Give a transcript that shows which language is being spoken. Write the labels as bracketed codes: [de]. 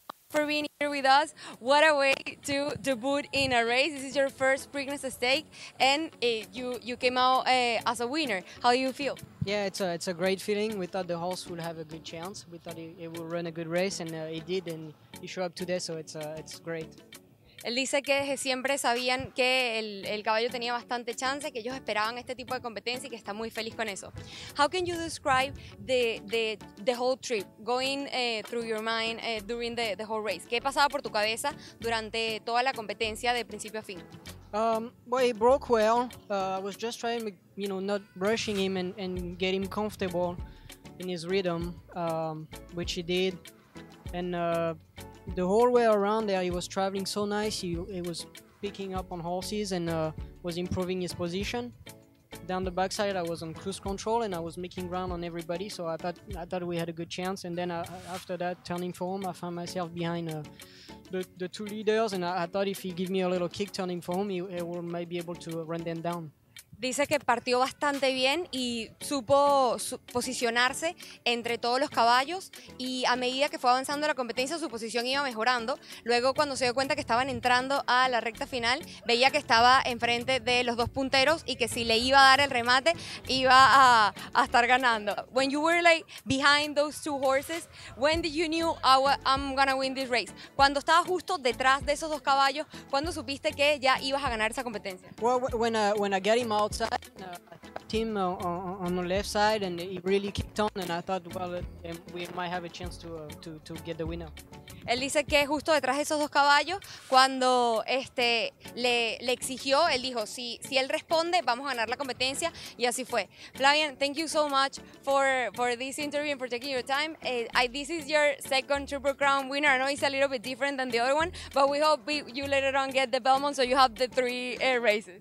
[en] For being here with us, what a way to debut in a race. This is your first Preakness stake, and you came out as a winner. How do you feel? Yeah, it's a great feeling. We thought the horse would have a good chance. We thought it would run a good race, and it did, and he showed up today, so it's great. [es] Él dice que desde siempre sabían que el caballo tenía bastante chance, que ellos esperaban este tipo de competencia y que está muy feliz con eso. [en] How can you describe the whole trip going through your mind during the whole race? [es] ¿Qué pasaba por tu cabeza durante toda la competencia de principio a fin? [en] Well, it broke well. I was just trying, you know, not rushing him and get him comfortable in his rhythm, which he did. And the whole way around there, he was traveling so nice. He was picking up on horses and was improving his position. Down the backside, I was on cruise control and I was making ground on everybody. So I thought we had a good chance. And then after that, turning for home, I found myself behind the two leaders. And I thought if he give me a little kick turning for home, he will maybe be able to run them down. [es] Dice que partió bastante bien y supo posicionarse entre todos los caballos y a medida que fue avanzando la competencia su posición iba mejorando. Luego cuando se dio cuenta que estaban entrando a la recta final, veía que estaba enfrente de los dos punteros y que si le iba a dar el remate iba a estar ganando. [en] When you were like behind those two horses, when did you knew I'm gonna win this race? [es] Cuando estaba justo detrás de esos dos caballos, ¿cuándo supiste que ya ibas a ganar esa competencia? [en] Well, when I got him outside, team on the left side, and he really kicked on, and I thought, well, we might have a chance to get the winner. [es] Él dice que justo detrás de esos dos caballos, cuando le exigió, él dijo, si él responde, vamos a ganar la competencia, y así fue. [en] Flavian, thank you so much for this interview and for taking your time. This is your second Triple Crown winner. I know it's a little bit different than the other one, but we hope you later on get the Belmont so you have the three races.